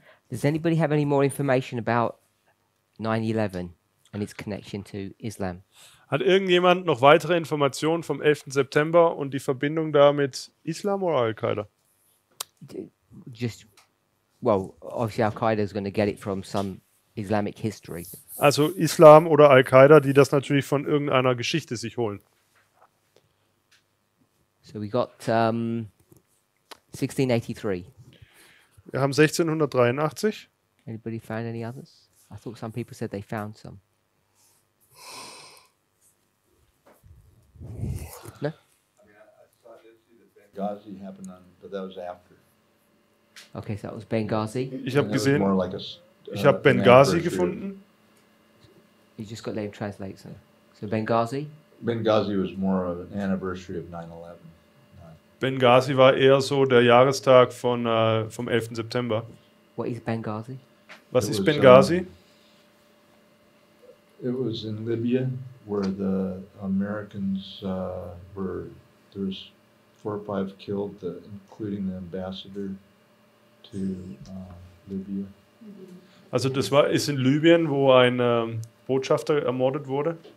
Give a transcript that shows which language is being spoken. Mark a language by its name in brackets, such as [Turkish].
[English] Does anybody have any more information about 9/11 and its connection to Islam? [German] Hat irgendjemand noch weitere Informationen vom 11. September und die Verbindung da mit Islam oder Al-Qaida? [English] Just, well, obviously Al-Qaida is going to get it from some Islamic history. [German] Also Islam oder Al-Qaida, die das natürlich von irgendeiner Geschichte sich holen. [English] So we got 1683. [German] Wir haben 1683. [English] Anybody find any others? I thought some people said they found some. No? I mean, I saw this, that Benghazi happened on, but that was after. Okay, so that was Benghazi. [German] Ich habe gesehen, [English] more like a, [German] ich habe Benghazi gefunden. [English] You just got to let him translate, so. So Benghazi? Benghazi was more of an anniversary of 9/11. [German] Benghazi war eher so der Jahrestag von vom 11. September. [English] What is Benghazi? [German] Was ist Benghazi? [English] It was in Libya, where the Americans were, there was 4 or 5 killed, including the ambassador to Libya. [German] Also das war, ist in Libyen, wo ein Botschafter ermordet wurde.